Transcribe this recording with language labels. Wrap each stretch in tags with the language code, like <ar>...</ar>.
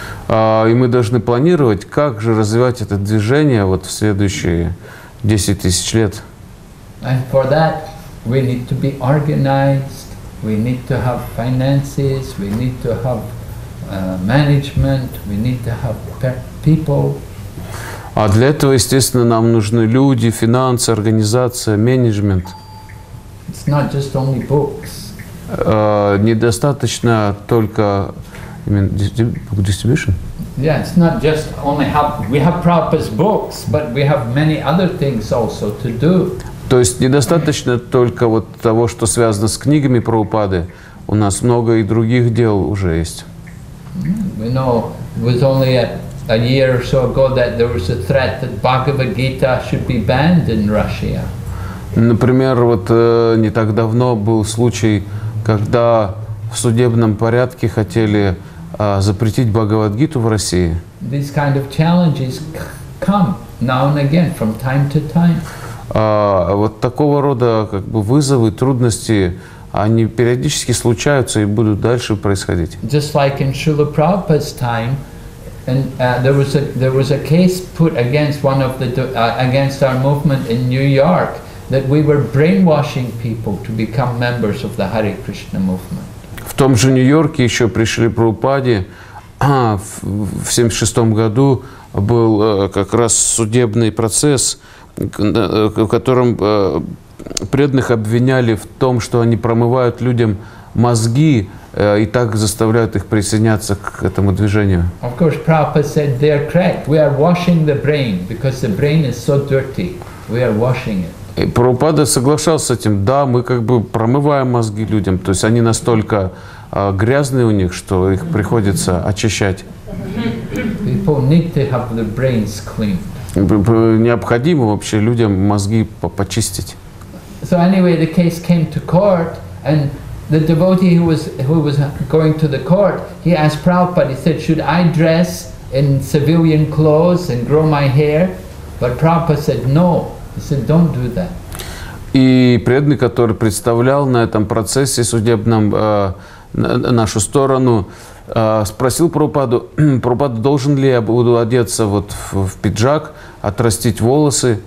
<ru>И мы должны планировать, как же развивать это движение вот в следующие 10,000 лет.</ru> <en>And for that we need to be organized, we need to have finances, we need to have management, we need to have people.</en> <ru>А для этого, естественно, нам нужны люди, финансы, организация, менеджмент.</ru> <en>It's not just only books.</en> <ru>Недостаточно только distribution.</ru> <en>Yeah, it's not just only have we have Prabhupada's books, but we have many other things also to do.</en> <ru>То есть недостаточно только вот того, что связано с книгами Прабхупады. У нас много и других дел уже есть.</ru> <en>We know it was only a year or so ago that there was a threat that Bhagavad Gita should be banned in Russia.</en> <ru>Например, вот не так давно был случай, когда в судебном порядке хотели запретить Бхагавад-гиту в России.</ru> <en>These kind of challenges come now and again from time to time.</en> <ru>Вот такого рода как бы вызовы, трудности, они периодически случаются и будут дальше происходить.</ru> <en>Just like in Srila Prabhupada's time, and there was a case put against one of the against our movement in New York that we were brainwashing people to become members of the Hare Krishna movement.</en> <ru>В том же Нью-Йорке еще при Шри Прабхупаде в 76-м году был как раз судебный процесс, в котором преданных обвиняли в том, что они промывают людям мозги и так заставляют их присоединяться к этому движению.</ru> <en>Of course, Prabhupada said they are correct. We are washing the brain because the brain is so dirty. We are washing it.</en> <ru>И Прабхупада соглашался с этим. Да, мы как бы промываем мозги людям. То есть они настолько грязные у них, что их приходится очищать. Необходимо вообще людям мозги почистить.</ru> <en>So anyway, the case came to court, and the devotee who was going to the court, he asked Prabhupada, he said, should I dress in civilian clothes and grow my hair? But Prabhupada said, no. He said, "Don't do that."</en> <ru>И преданный, который представлял на этом процессе судебном нашу сторону, спросил Прабхупаду: "Прабхупада, должен ли я буду одеться вот в пиджак, отрастить волосы?"</ru>